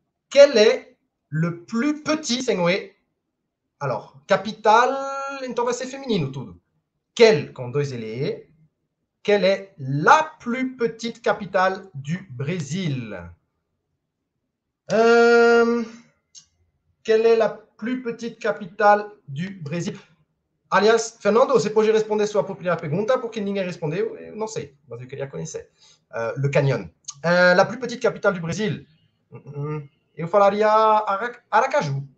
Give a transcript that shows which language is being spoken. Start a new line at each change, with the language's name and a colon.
Portuguese: Quel é
French: le plus petit,
Portuguese: senhor? Alors, capital, então vai ser feminino tudo.
French: Quelle,
Portuguese: com dois LE,
French: quelle est la plus petite capitale du Brésil? Quelle est la plus petite capitale du Brésil?
Portuguese: Aliás, Fernando, você pode responder sua própria pergunta, porque ninguém respondeu, eu não sei, mas eu queria conhecer.
French: Le Canyon. La plus petite capitale du Brésil?
Portuguese: Eu falaria Aracaju.